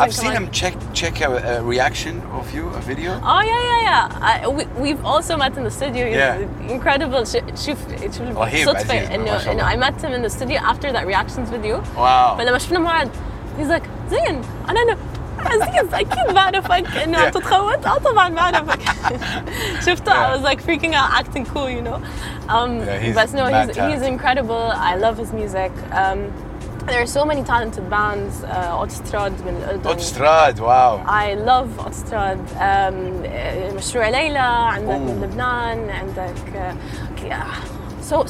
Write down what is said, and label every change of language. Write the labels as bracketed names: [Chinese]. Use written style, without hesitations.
[English] I've seen him check a reaction of you, a video. Oh yeah. We've also met in the studio. Yeah. He's incredible. شوف [Arabic] صدفة [English] إنه I met him in the studio after that reactions video. Wow. But [Arabic] لما شفنا معاد, [English] he's like زين. [Arabic] أنا عزيز أكيد بعرفك إنه تتخوت. أه طبعا بعرفك. شفته. [English] I was like freaking out, acting cool, you know. Yeah, he's incredible. I love his music. There are so many talented bands, Otstrad from the Jordan. Otstrad, wow. I love Otstrad. [Arabic] مشروع ليلى عندك من لبنان عندك yeah.